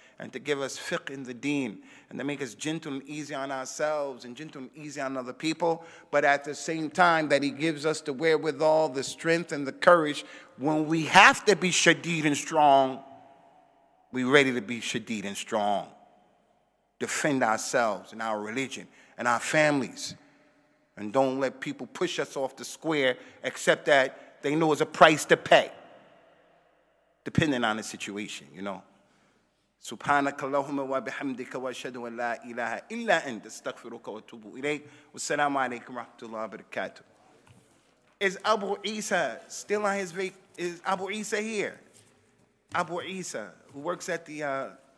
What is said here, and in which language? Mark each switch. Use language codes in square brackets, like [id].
[en] And to give us fiqh in the deen, and to make us gentle and easy on ourselves, and gentle and easy on other people, but at the same time that he gives us the wherewithal, the strength and the courage, when we have to be shadeed and strong, we're ready to be shadeed and strong. Defend ourselves and our religion and our families. And don't let people push us off the square, except that they know it's a price to pay. Depending on the situation, you know. [ar] سبحانك اللهم وبحمدك واشهد ان لا اله الا انت استغفرك واتوب اليك والسلام عليكم ورحمه الله وبركاته. [en] Is Abu Isa still on his vacation? Is Abu Isa here? Abu Isa, who works at the